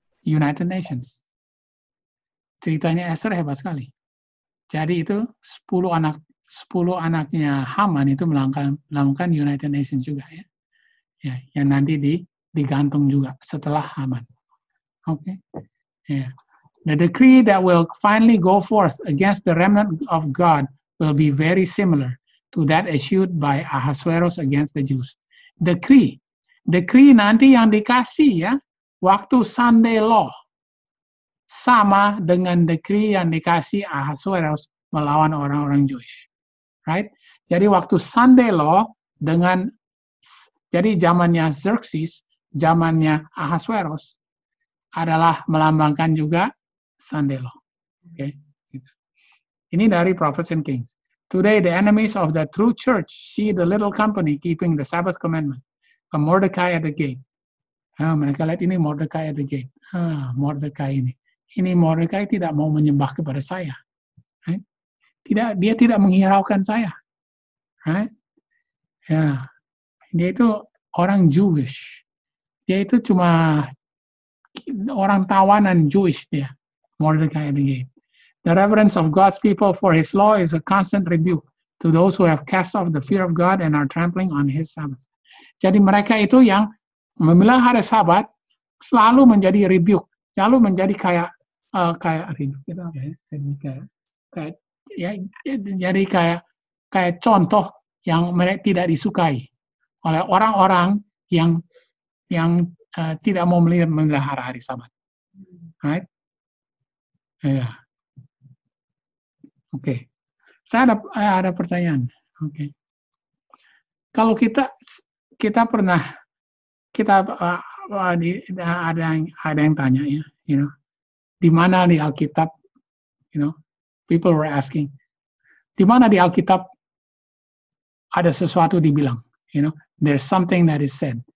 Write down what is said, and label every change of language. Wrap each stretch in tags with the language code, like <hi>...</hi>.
<id>United Nations. Ceritanya Esther hebat sekali. Jadi itu 10 anaknya Haman itu melambangkan United Nations juga, ya. Ya, yang nanti digantung juga setelah Haman. Oke. Okay? Yeah.</id> <en>The decree that will finally go forth against the remnant of God will be very similar to that issued by Ahasuerus against the Jews.</en> <id>Decree nanti yang dikasih, ya, waktu Sunday Law sama dengan decree yang dikasih Ahasuerus melawan orang-orang Jewish. Right? Jadi waktu Sunday Law dengan jadi zamannya Xerxes, zamannya Ahasuerus adalah melambangkan juga Sunday Law. Oke. Okay? Ini dari Prophets and Kings.</id> <en>Today the enemies of the true church see the little company keeping the Sabbath commandment. A Mordecai at the gate.</en> <id>Mereka lihat ini</id> <en>Mordecai at the gate. Mordecai ini.</en> <id>Ini Mordecai tidak mau menyembah kepada saya. Right? Tidak, dia tidak menghiraukan saya.</id> <en>Right? Yeah.</en> <id>Dia itu orang Jewish. Dia itu cuma orang tawanan Jewish dia. Mordecai at the gate.</id> <en>The reverence of God's people for his law is a constant rebuke to those who have cast off the fear of God and are trampling on his Sabbath.</en> <id>Jadi mereka itu yang memilah hari Sabat selalu menjadi rebuke, selalu menjadi kayak contoh yang mereka tidak disukai oleh orang-orang yang tidak mau memilah hari Sabat. Right? Yeah. Oke. Okay. Saya ada pertanyaan. Oke. Okay. Kalau kita pernah ada yang tanya ya, you know. Di mana di Alkitab, you know,</id> <en>people were asking.</en> <id>Di mana di Alkitab ada sesuatu dibilang, you know,</id> <en>there's something that is said.</en>